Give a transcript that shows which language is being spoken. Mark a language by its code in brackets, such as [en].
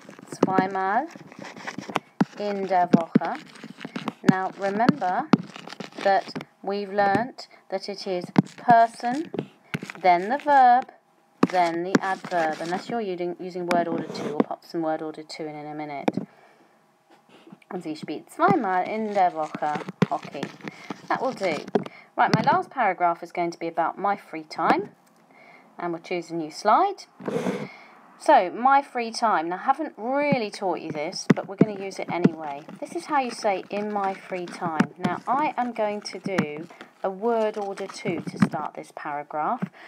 [de] Zweimal in der Woche. [en] Now, remember that we've learnt that it is person, then the verb, then the adverb. Unless you're using word order 2, we'll pop some word order 2 in a minute. [de] Und sie spielt zweimal in der Woche hockey. [en] That will do. Right, my last paragraph is going to be about my free time. And we'll choose a new slide. So, my free time. Now, I haven't really taught you this, but we're going to use it anyway. This is how you say in my free time. Now, I am going to do a word order two to start this paragraph.